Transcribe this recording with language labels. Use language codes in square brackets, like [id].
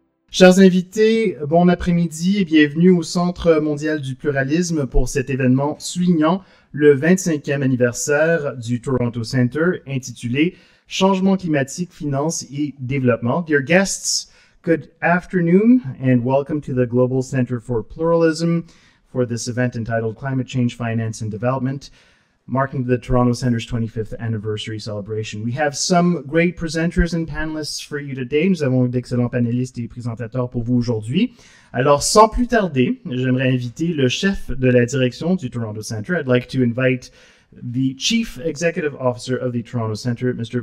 [fr] Chers invités, bon après-midi et bienvenue au Centre mondial du pluralisme pour cet événement soulignant le 25e anniversaire du Toronto Centre intitulé « Changement climatique, finance et développement ». [en] Dear guests, good afternoon and welcome to the Global Centre for Pluralism for this event entitled Climate Change, Finance and Development, marking the Toronto Centre's 25th anniversary celebration. We have some great presenters and panelists for you today. [fr] Nous avons d'excellents panélistes et présentateurs pour vous aujourd'hui. Alors, sans plus tarder, j'aimerais inviter le chef de la direction du Toronto Centre. [en] I'd like to invite the Chief Executive Officer of the Toronto Centre, Mr.